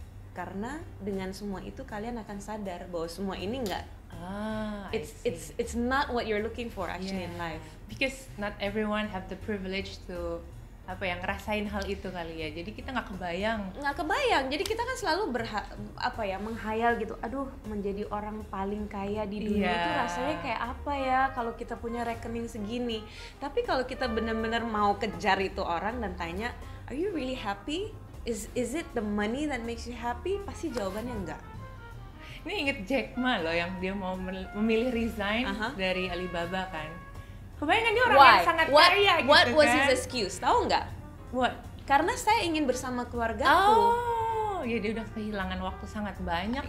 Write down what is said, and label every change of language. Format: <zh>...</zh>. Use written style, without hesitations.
<id>Karena dengan semua itu kalian akan sadar bahwa semua ini enggak.</id> <en>It's not what you're looking for actually in life. Because not everyone have the privilege to</en> <id>apa yang ngerasain hal itu kali ya. Jadi kita enggak kebayang. Jadi kita kan selalu menghayal gitu. Aduh, menjadi orang paling kaya di dunia itu rasanya kayak apa ya kalau kita punya rekening segini. Tapi kalau kita benar-benar mau kejar itu orang dan tanya,</id> <en>"Are you really happy? Is it the money that makes you happy?"</en> <id>Pasti jawabannya enggak. Ini inget Jack Ma loh yang dia mau memilih resign dari Alibaba kan. Kebayangkan dia orang yang sangat kaya gitu</id> <en>what</en> <id>kan.</id> <en>What was his excuse?</en> <id>Tahu enggak?</id> <en>What?</en> <id>Karena saya ingin bersama keluargaku. Oh, ya dia udah kehilangan waktu sangat banyak</id>